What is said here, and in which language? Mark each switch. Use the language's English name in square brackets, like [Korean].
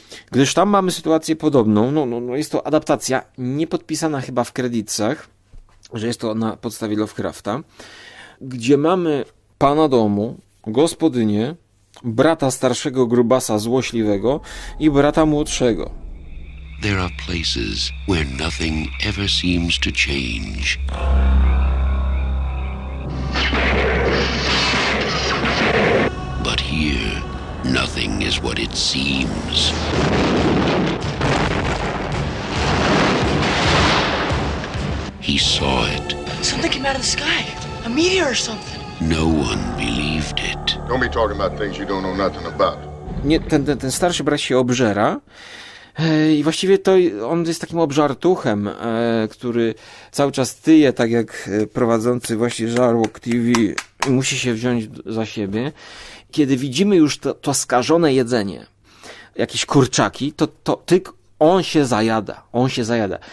[Polish] Gdyż tam mamy sytuację podobną, no jest to adaptacja niepodpisana chyba w kredytach, że jest to na podstawie Lovecrafta, gdzie mamy pana domu, gospodynię, brata starszego grubasa złośliwego i brata młodszego. [English] There are places where nothing ever seems to change. But here, nothing is what it seems. He saw it. Something came out of the sky. A meteor or something. No one believed it. Don't be talking about things you don't know nothing about. [Polish] Nie, ten starszy brat się obżera. I właściwie to on jest takim obżartuchem, który cały czas tyje, tak jak prowadzący właśnie Żarłok TV, i musi się wziąć za siebie. Kiedy widzimy już to skażone jedzenie, jakieś kurczaki, to tylko on się zajada. On się zajada.